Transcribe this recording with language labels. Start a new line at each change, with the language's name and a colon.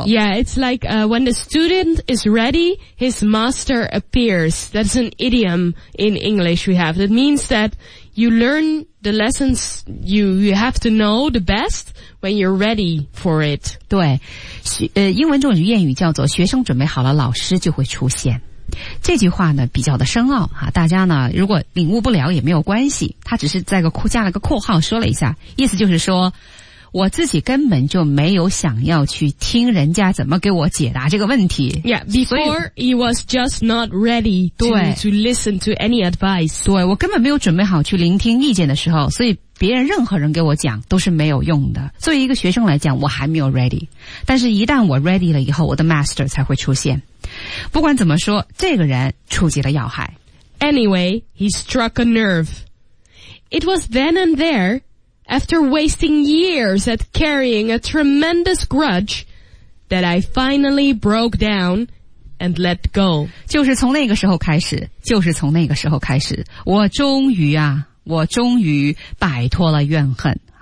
English: ，Yeah, it's like when the student is ready, his master appears. That's an idiom in English we have. That means that you learn the lessons you have to know the best when you're ready for it.
Chinese: 对，英文中有谚语叫做"学生准备好了，老师就会出现"。这句话呢比较的深奥啊，大家呢如果领悟不了也没有关系，他只是在个加了个括号说了一下，意思就是说我自己根本就没有想要去听人家怎么给我解答这个问题。
English: Yeah, before he was just not ready to listen to any advice.
Chinese: 对，我根本没有准备好去聆听意见的时候，所以别人任何人给我讲都是没有用的。作为一个学生来讲，我还没有 ready， 但是一旦我 ready 了以后，我的 master 才会出现。不管怎么说，这个人触及了要害。
English: Anyway, he struck a nerve. It was then and there, after wasting years at carrying a tremendous grudge, that I finally broke down and let go.
Chinese: 就是从那个时候开始，就是从那个时候开始，我终于啊，我终于摆脱了怨恨。